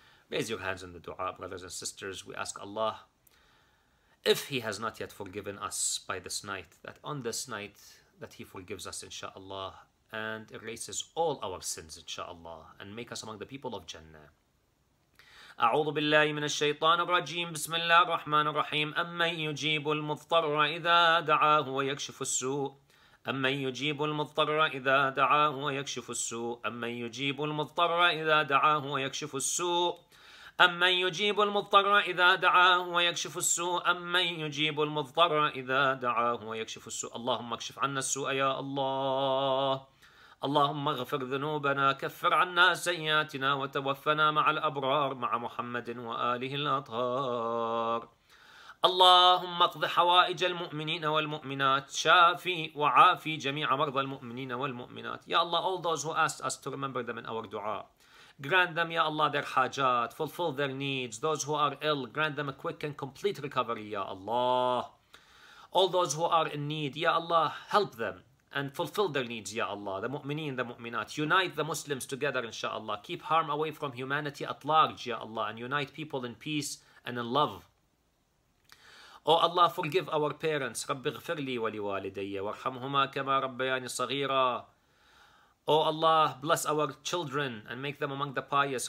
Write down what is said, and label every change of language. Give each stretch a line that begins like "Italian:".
English: Raise your hands in the du'a, brothers and sisters. We ask Allah, if He has not yet forgiven us by this night, that on this night that He forgives us, inshaAllah, and erases all our sins, inshaAllah, and make us among the people of Jannah.
Arabic: أعوذ بالله من الشيطان الرجيم بسم الله الرحمن الرحيم أمن يجيب المضطر إذا دعاه ويكشف السوء أمن يجيب المضطر إذا دعاه ويكشف السوء أمن يجيب المضطر إذا دعاه ويكشف السوء أمن يجيب المضطر إذا دعاه ويكشف السوء أمن يجيب المضطر إذا دعاه ويكشف السوء اللهم اكشف عنا السوء يا الله اللهم اغفر ذنوبنا كفر عنا سيئاتنا وتوفنا مع الأبرار مع محمد وآله الأطهار اللهم اقض حوائج المؤمنين والمؤمنات شافي وعافي جميع مرضى المؤمنين والمؤمنات يا الله
English: all those who asked us to remember them in our dua grant them يا الله their حاجات fulfill their needs those who are ill grant them a quick and complete recovery يا الله all those who are in need يا الله help them and fulfill their needs, Ya Allah, the mu'mineen, the mu'minat. Unite the Muslims together, inshaAllah. Keep harm away from humanity at large, Ya Allah, and unite people in peace and in love. O Allah, forgive our parents.
Arabic: رَبِّ اغْفِرْ لِي وَلِوَالِدَيَّ وَارْحَمْهُمَا كَمَا رَبَّيَانِ صَغِيرًا
English: O Allah, bless our children and make them among the pious.